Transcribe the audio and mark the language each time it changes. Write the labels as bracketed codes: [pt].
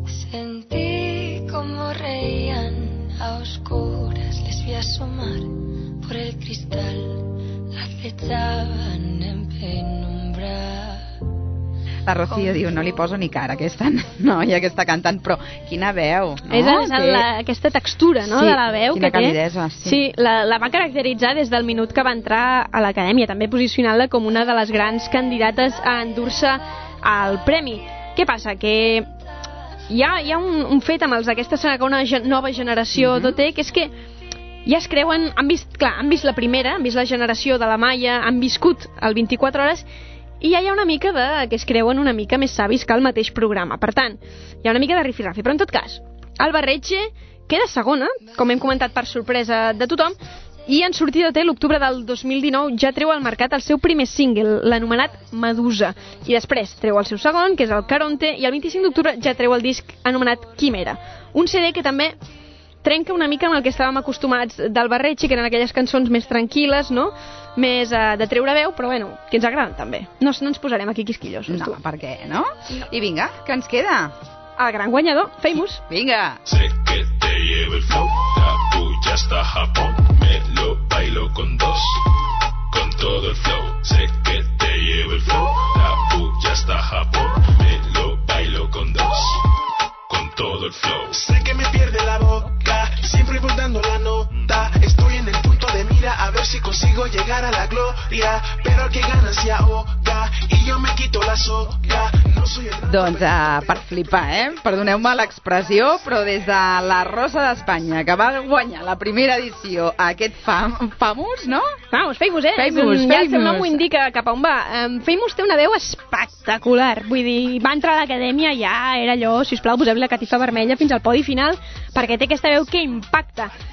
[es] Sentí como reían a oscuras, les vi asomar por el cristal, acechaban en penumbra. [ca] La Rocío diu, no li poso ni cara aquesta noia que està cantant, però quina veu, no? És aquesta textura, no?, sí, de la veu que té. Sí, quina calidesa. Sí, la va caracteritzar des del minut que va entrar a l'acadèmia, també posicionant-la com una de les grans candidates a endur-se el premi. Què passa? Que hi ha un fet amb els d'aquesta segona nova generació d'OT, que és que ja es creuen, han vist la primera, han vist la generació de la Maya, han viscut el 24 Hores, i ja hi ha una mica de que es creuen una mica més savis que el mateix programa. Per tant, hi ha una mica de rifirrafi. Però en tot cas, Alba Reche queda segona, com hem comentat per sorpresa de tothom, i en sortida té l'octubre del 2019 ja treu al mercat el seu primer single, l'anomenat Medusa. I després treu el seu segon, que és el Caronte, i el 25 d'octubre ja treu el disc anomenat Quimera. Un CD que també trenca una mica amb el que estàvem acostumats d'Alba Reche, que eren aquelles cançons més tranquil·les, no?, més de treure veu, però bueno, que ens agraden també. No ens posarem aquí quisquillosos. No, per què, no? I vinga, què ens queda? El gran guanyador, Famous. Vinga! [es] Sé que te llevo el flow, capullo hasta Japón, me lo bailo con dos, con todo el flow. Sé que te llevo el flow, capullo hasta Japón, me lo bailo con dos, con todo el flow. Sé que me pierde la boca, siempre voy dando la nota, estoy en el punto de mira, a ver si consigo llegar a la gloria, pero el que gana se ahoga, y yo me quito la soga, no soy el... [ca] Doncs per flipar, perdoneu-me l'expressió, però des de la Rosa d'Espanya, que va guanyar la primera edició, aquest famós, no? Famous, eh? Famous, ja el seu nom ho indica cap a on va. Famous té una veu espectacular, vull dir, va entrar a l'acadèmia, ja era allò, sisplau, posem la catifa vermella fins al podi final, perquè té aquesta veu que impacta.